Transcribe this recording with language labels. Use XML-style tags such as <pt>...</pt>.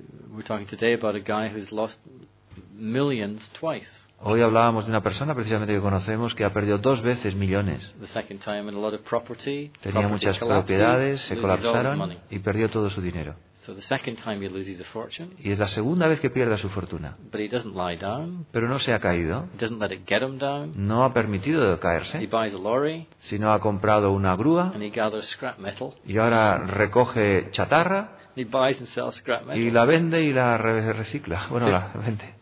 <en>We're talking today about a guy who's lost millions twice.</en> <es>Hoy hablábamos de una persona precisamente que conocemos que ha perdido 2 veces millones.</es> <en>The second time in a lot of property,</en> <es>tenía muchas</es> <en>property</en> <es>propiedades, se colapsaron y perdió todo su dinero.</es> <en>So the second time he loses a fortune.</en> <es>Y es la segunda vez que pierde su fortuna.</es> <en>But he doesn't lie down.</en> <es>Pero no se ha caído.</es> <en>He doesn't let it get him down.</en> <es>No ha permitido caerse.</es> <en>He buys a lorry.</en> <es>Sino ha comprado una grúa.</es> <en>And he gathers scrap metal.</en> <es>Y ahora recoge chatarra.</es> <en>He buys and sells scrap metal.</en> <es>Y la vende y la recicla. Bueno, la vende.</es>